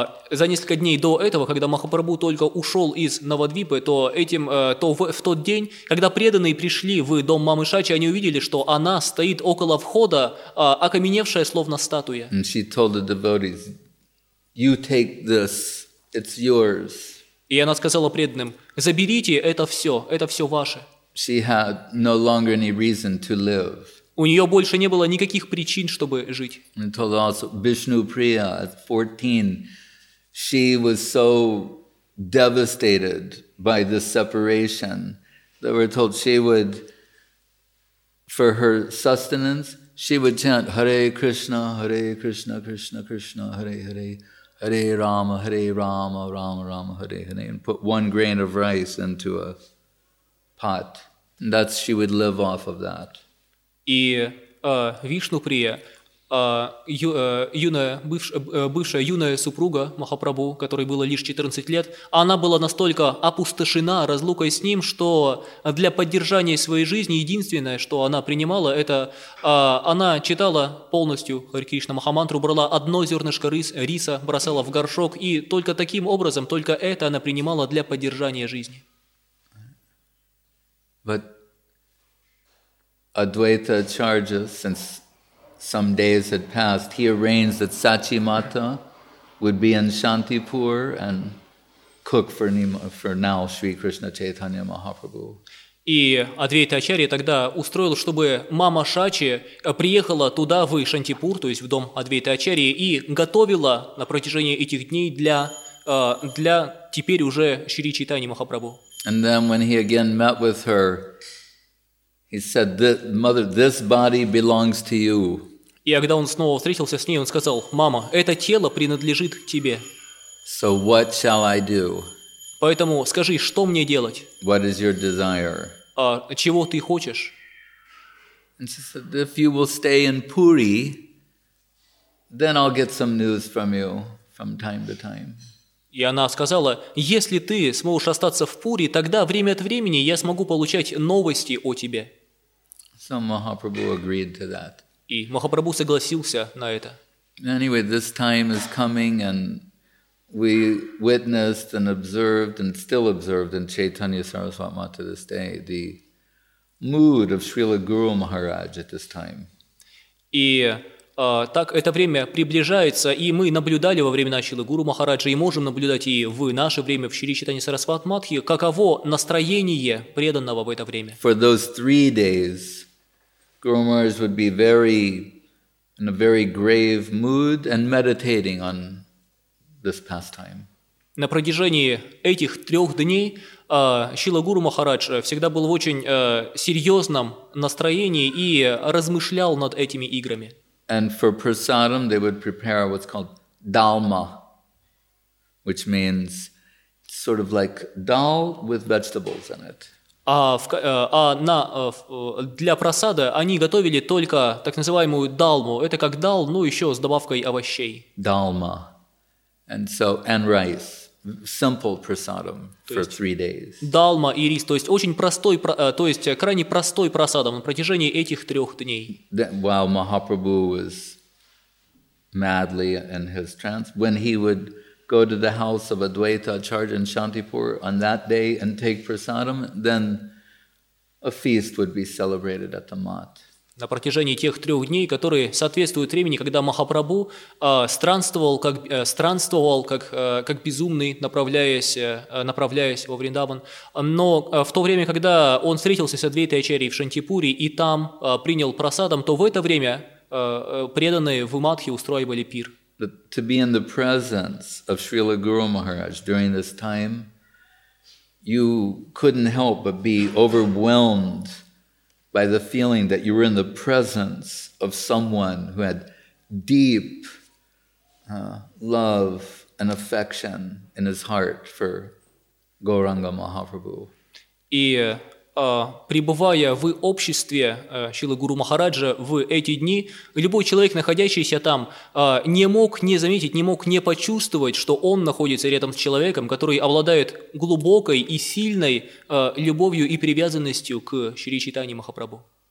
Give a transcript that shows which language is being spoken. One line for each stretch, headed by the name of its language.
Russian: За несколько дней до этого, когда Махапрабху только ушел из Навадвипы, в тот день, когда преданные пришли в дом мамы Шачи, они увидели, что она стоит около входа, окаменевшая, словно статуя.
English: And she told the devotees, "You take this, it's yours."
Russian: И она сказала преданным: "Заберите это все ваше."
English: She had no longer any reason to live.
Russian: У нее больше не было никаких причин, чтобы жить.
English: Бишну Прия, at 14, she was so devastated by the separation that we're told she would, for her sustenance, she would chant Hare Krishna, Krishna Krishna, Hare Hare, Hare Rama, Rama Rama, Hare Hare, and put one grain of rice into a pot. And that's, she would live off of that.
Russian: И Вишнуприя, бывшая юная супруга Махапрабху, которой было лишь 14 лет, она была настолько опустошена разлукой с ним, что для поддержания своей жизни единственное, что она принимала, это она читала полностью Харе Кришна Махамантру, брала одно зернышко риса, бросала в горшок, и только таким образом, только это она принимала для поддержания жизни.
English: Advaita Acharya, since some days had passed, he arranged that Sachi Mata would be in Shantipur and cook for now Sri Krishna Chaitanya Mahaprabhu.
Russian: И Адвайта Ачарья тогда устроил, чтобы мама Шачи приехала туда, в Шантипур, то есть в дом Адвайта Ачарьи, и готовила на протяжении этих дней для теперь уже Шри Чайтаньи Махапрабху.
English: And then when he again met with her, he said, "Mother, this body belongs to you."
Russian: И когда он снова встретился с ней, он сказал: "Мама, это тело принадлежит тебе."
English: So what shall I do?
Russian: Поэтому скажи, что мне делать?
English: What is your desire?
Russian: Чего ты хочешь?
English: And she said, "If you will stay in Puri, then I'll get some news from you from time to time."
Russian: И она сказала: если ты сможешь остаться в Пури, тогда время от времени я смогу получать новости о тебе.
English: So Mahaprabhu agreed to that.
Russian: И Махапрабху согласился на это.
English: Anyway, this time is coming, and we witnessed and observed, and still observed in Chaitanya Saraswati Mata this day, the mood of Srila Guru Maharaj at this time.
Russian: И так это время приближается, и мы наблюдали во время Шрилы Гуру Махараджа, и можем наблюдать и в наше время, в Шри Чайтанья Сарасват Матхи, каково настроение преданного в это время.
English: For those 3 days, Guru Maharaj would be very, in a very grave mood and meditating on this pastime.
Russian: На протяжении этих 3 дней Шрила Гуру Махарадж всегда был в очень серьезном настроении и размышлял над этими играми.
English: And for prasadam, they would prepare what's called dalma, which means sort of like dal with vegetables in it.
Russian: Для прасада они готовили только так называемую далму. Это как дал, но еще с добавкой овощей.
English: Dalma, and rice. simple prasadam for 3 days.
Russian: Далма и рис, то есть очень простой, то есть крайне простой прасадам на протяжении этих 3 дней.
English: While Mahaprabhu was madly in his trance, when he would go to the house of Advaita Acharya in Shantipur on that day and take prasadam, then a feast would be celebrated at the mat.
Russian: На протяжении тех 3 дней, которые соответствуют времени, когда Махапрабху странствовал как безумный, направляясь во Вриндаван. Но в то время, когда он встретился с Адвейтой Ачарьей в Шантипуре и там принял прасадам, то в это время преданные в Матхе устраивали пир.
English: To be in the presence of Srila Guru Maharaj during this time, you couldn't help but be overwhelmed by the feeling that you were in the presence of someone who had deep love and affection in his heart for Gauranga Mahaprabhu.
Russian: И пребывая в обществе Шрилы Гуру Махараджа в эти дни, любой человек, находящийся там, не мог не заметить, не мог не почувствовать, что он находится рядом с человеком, который обладает глубокой и сильной любовью и привязанностью к Шри Чайтанье Махапрабху.